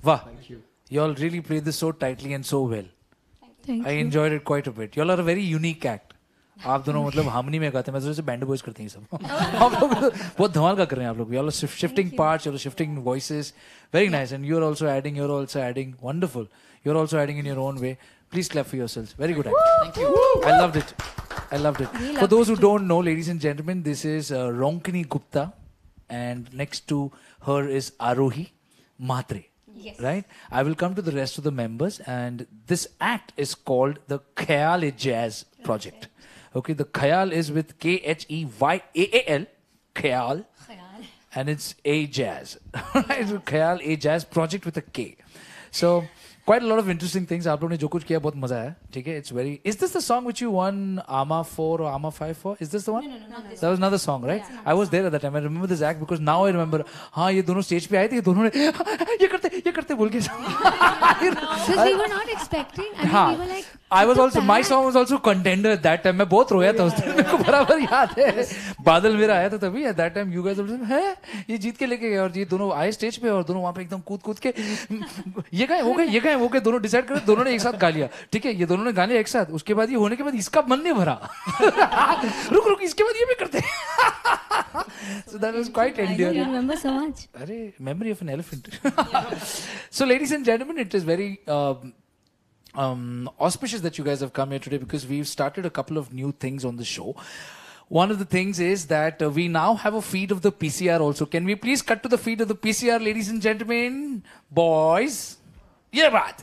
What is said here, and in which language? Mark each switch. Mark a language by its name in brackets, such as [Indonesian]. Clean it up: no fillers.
[English] वाह you all really play this so tightly and so well I enjoyed it quite a bit you all are a very unique act [Hindi] आप दोनों मतलब harmony में गाते हैं मतलब बैंड बॉयज करते हैं सब आप लोग [English] बहुत धमाल का कर रहे हैं आप लोग you all shifting parts you all shifting voices very nice and you are also adding wonderful you are also adding in your own way Please clap for yourselves. Very good. Thank you. I loved it. I loved it. For those who don't know, ladies and gentlemen, this is Ronkini Gupta. And next to her is Arohi Matre. Yes. Right? I will come to the rest of the members. And this act is called the Khayal-E Jazz Project. Okay. The Khayal is with K-H-E-Y-A-A-L. Khayal. And it's A Jazz. Right? Yes. Khayal A Jazz Project with a K. So... Quite a lot of interesting things. [Hindi] आप लोगों ने जो कुछ किया बहुत मजा आया ठीक है [English] It's very. Is this the song which you won AMA 4 or AMA 5 for? Is this the one? No. That was another song, right? Yeah. I was there at that time. I remember this act because now I remember. [Hindi] हाँ ये दोनों stage पे आए थे ये दोनों ने ये करते बोल के [English] Because we were not expecting. I mean, we were like. I was also, my song was also contender at that time. [Hindi] मैं बहुत रोया था उस दिन मेरे को बराबर याद है बादल मेरा आया था तभी [English] at that time you guys were like [Hindi] हैं ये जीत के लेके गया और ये दोनों आए स्टेज पे और दोनों वहाँ पे एकदम कूद कूद के ये कहे वो कहे ये कहे वो कहे दोनों डिसाइड करे दोनों ने एक साथ गा लिया ठीक है ये दोनों ने गा लिया एक साथ उसके बाद ये होने के बाद इसका मन नहीं भरा रुक रुक इसके बाद ये भी करते [English] So that was quite endearing. I remember so much. अरे memory of an elephant. So ladies and gentlemen, it is very auspicious that you guys have come here today because we've started a couple of new things on the show. One of the things is that we now have a feed of the PCR also. Can we please cut to the feed of the PCR, ladies and gentlemen, boys? Yeah, right.